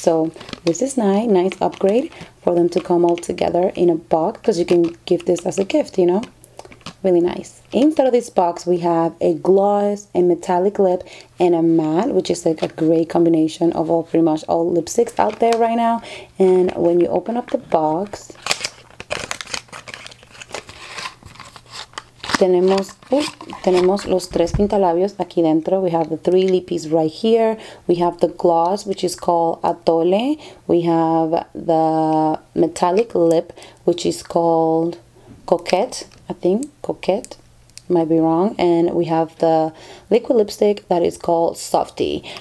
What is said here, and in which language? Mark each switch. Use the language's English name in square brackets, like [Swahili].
[English] So this is nice, nice upgrade for them to come all together in a box, because you can give this as a gift, you know? Really nice. Inside of this box, we have a gloss, a metallic lip, and a matte, which is like a great combination of all pretty much all lipsticks out there right now. And when you open up the box, [Spanish] tenemos los tres pintalabios aquí dentro. [English] We have the three lippies right here. We have the gloss, which is called Atole. We have the metallic lip, which is called Coquette. I think Coquette, might be wrong. And we have the liquid lipstick that is called Softy.